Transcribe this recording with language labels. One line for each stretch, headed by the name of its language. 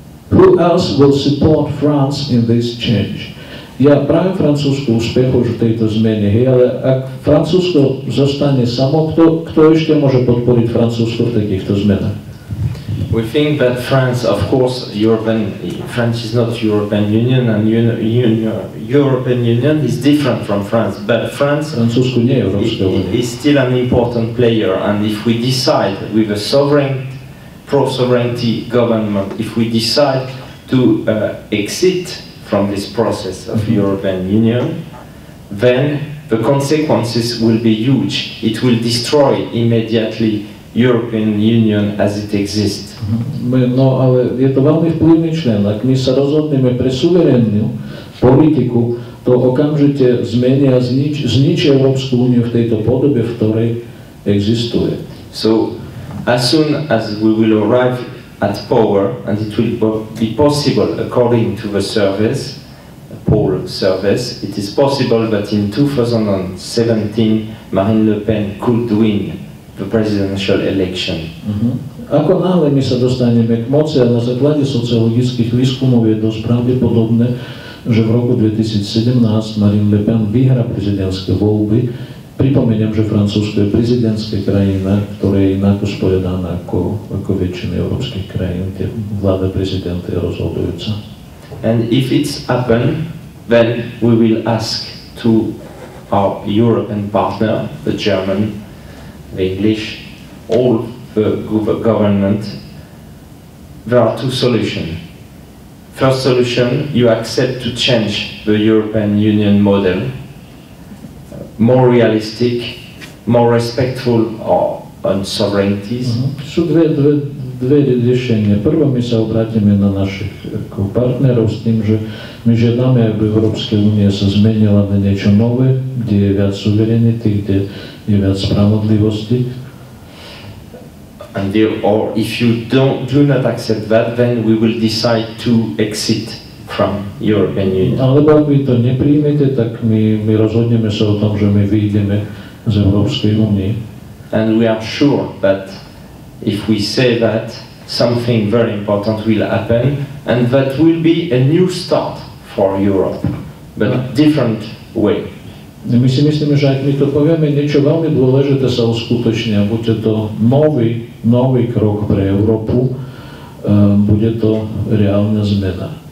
English: Who else will support France in this change?
Slovak: Ja prajem Francúzsku úspech už v tejto zmene, hej, ale ak Francúzsko zostane samo, kto ešte môže podporiť Francúzsko v takýchto zmenách?
English: We think that France, of course, European, France is not European Union, and European Union is different from France, but France
Slovak: Francúzsko nie je Európska únia.
English: Is still an important player, and if we decide with a sovereign, pro-sovereignty government, if we decide to exit from this process of European Union, then the consequences will be huge. It will destroy immediately European Union as it exists.
Slovak: No, ale je to veľmi vplyvný člen. Ak my sa rozhodneme pre suverénnu politiku, to okamžite zmení a zničí Európsku úniu v tejto podobe, v ktorej existuje.
English: So, as soon as we will arrive at power, and it will be possible, according to the service, the poll service, it is possible that in 2017 Marine Le Pen could win the presidential election.
Slovak: Ako náhle my sa dostaneme k moci a na základe sociologických výskumov je dosť pravdepodobné, že v roku 2017 Marine Le Pen vyhrá prezidentské voľby, Pripomeniem, že Francúzsko je prezidentská krajina, ktorá je inak usporiadaná ako, ako väčšina európskych krajín, kde vláda prezidenta je rozhodujúca.
English: And if it's happen, then we will ask to our European partner, the German, the English, all the government, there are two solutions. First solution, you accept to change the European Union model, more realistic, more respectful on sovereignties.
Slovak: Sú dve riešenia. Prvo my sa obrátime na našich partnerov s tým, že my žiadame, aby Európska únia sa zmenila na niečo nové, kde je viac suverenity, kde je viac spravodlivosti.
English: And there, or if you do not accept that, then we will decide to exit from European Union.
Slovak: Alebo ak vy to neprijmete, tak my rozhodneme sa o tom, že my vyjdeme z Európskej únie.
English: And we are sure that if we say that, something very important will happen, and that will be a new start for Europe, but different way.
Slovak: My si myslíme, že ak my to povieme, niečo veľmi dôležité sa uskutoční a bude to nový krok pre Európu, bude to reálna zmena.